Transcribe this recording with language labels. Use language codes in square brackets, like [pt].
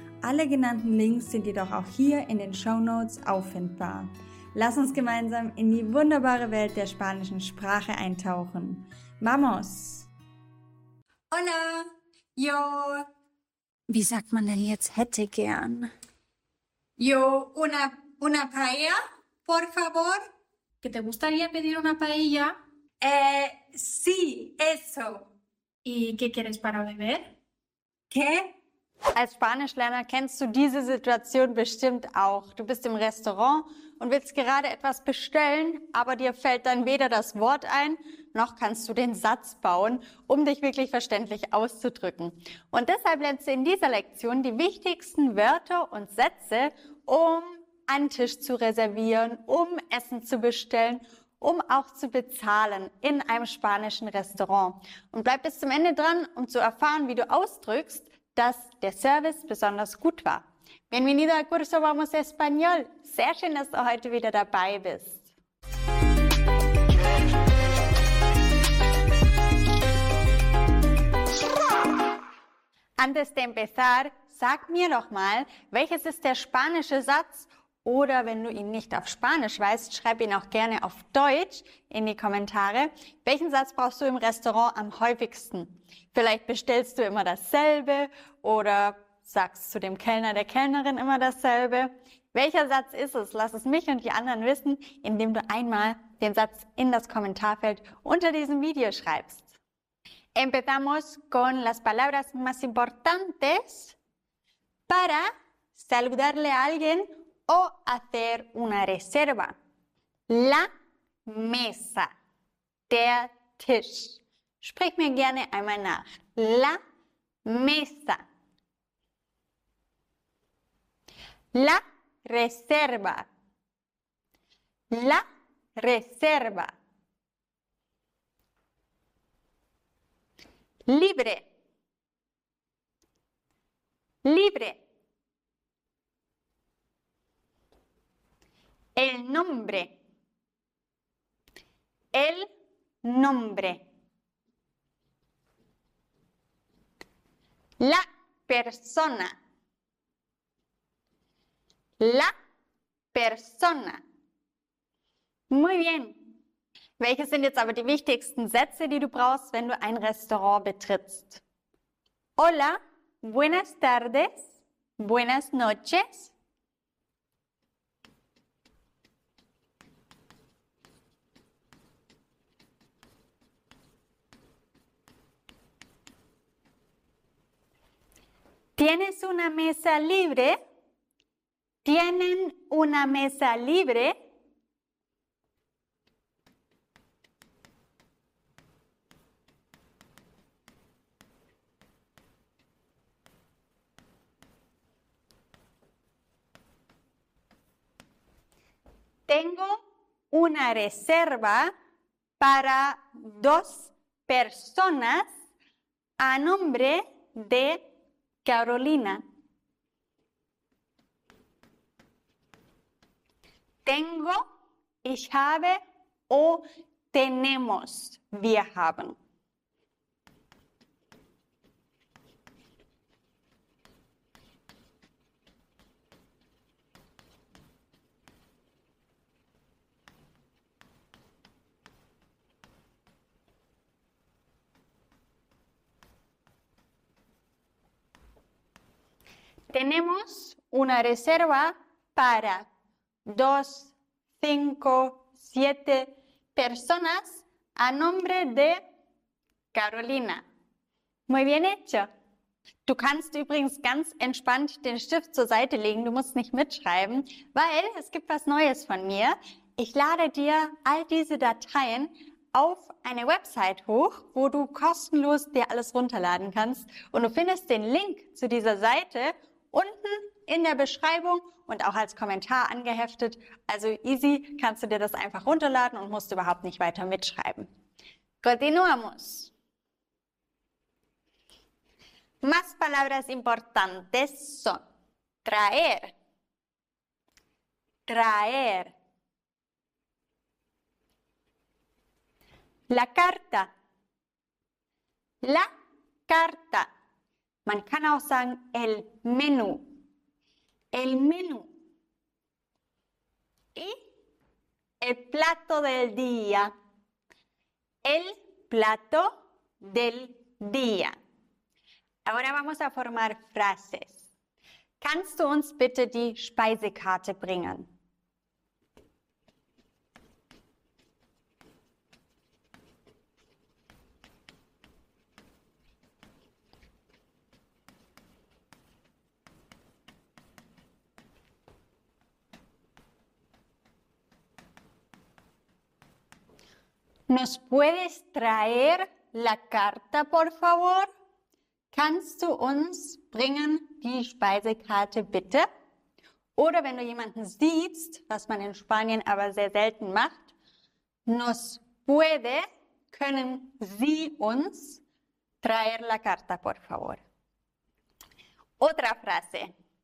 [de] Alle genannten Links sind jedoch auch hier in den Shownotes auffindbar. Lass uns gemeinsam in die wunderbare Welt der spanischen Sprache eintauchen. [es] ¡Vamos! ¡Hola! ¡Yo! [de] Wie sagt man denn jetzt hätte gern? [es] ¡Yo una paella, por favor! ¿Que te gustaría pedir una paella? Sí, eso. ¿Y qué quieres para beber? ¿Qué? [de] Als Spanischlerner kennst du diese Situation bestimmt auch. Du bist im Restaurant und willst gerade etwas bestellen, aber dir fällt dann weder das Wort ein, noch kannst du den Satz bauen, um dich wirklich verständlich auszudrücken. Und deshalb lernst du in dieser Lektion die wichtigsten Wörter und Sätze, um einen Tisch zu reservieren, um Essen zu bestellen, um auch zu bezahlen in einem spanischen Restaurant. Und bleib bis zum Ende dran, um zu erfahren, wie du ausdrückst, dass der Service besonders gut war. [es] Bienvenido al curso Vamos Español. [de] Sehr schön, dass du heute wieder dabei bist. [es] Antes de empezar, [de] sag mir doch mal, welches ist der spanische Satz? Oder wenn du ihn nicht auf Spanisch weißt, schreib ihn auch gerne auf Deutsch in die Kommentare. Welchen Satz brauchst du im Restaurant am häufigsten? Vielleicht bestellst du immer dasselbe oder sagst zu dem Kellner, der Kellnerin immer dasselbe. Welcher Satz ist es? Lass es mich und die anderen wissen, indem du einmal den Satz in das Kommentarfeld unter diesem Video schreibst. [es] Empezamos con las palabras más importantes para saludarle a alguien o hacer una reserva. La mesa. [de] Der Tisch. Sprich mir gerne einmal nach. [es] La mesa. La reserva. La reserva. Libre. Libre. El nombre. El nombre. La persona. La persona. Muy bien. [de] Welche sind jetzt aber die wichtigsten Sätze, die du brauchst, wenn du ein Restaurant betrittst? [es] Hola, buenas tardes, buenas noches. ¿Tienes una mesa libre? ¿Tienen una mesa libre? Tengo una reserva para dos personas a nombre de Carolina. [de] Tengo, ich habe, [es] o tenemos, [de] wir haben. [es] Tenemos una reserva para 2, 5, 7 personas a nombre de Carolina. Muy bien hecho. [de] Du kannst übrigens ganz entspannt den Stift zur Seite legen. Du musst nicht mitschreiben, weil es gibt was Neues von mir. Ich lade dir all diese Dateien auf eine Website hoch, wo du kostenlos dir alles runterladen kannst. Und du findest den Link zu dieser Seite unten in der Beschreibung und auch als Kommentar angeheftet. Also easy, kannst du dir das einfach runterladen und musst überhaupt nicht weiter mitschreiben. [es] Continuamos. Más palabras importantes son traer, traer. La carta, la carta. [de] Man kann auch sagen [es] el menú, el menú. Y el plato del día, el plato del día. Ahora vamos a formar frases. [de] Kannst du uns bitte die Speisekarte bringen? [es] ¿Nos puedes traer la carta, por favor? [de] Kannst du uns bringen die Speisekarte bitte? Oder wenn du jemanden siehst, was man in Spanien aber sehr selten macht, [es] nos puede, [de] können Sie uns [es] traer la carta, por favor. Otra frase.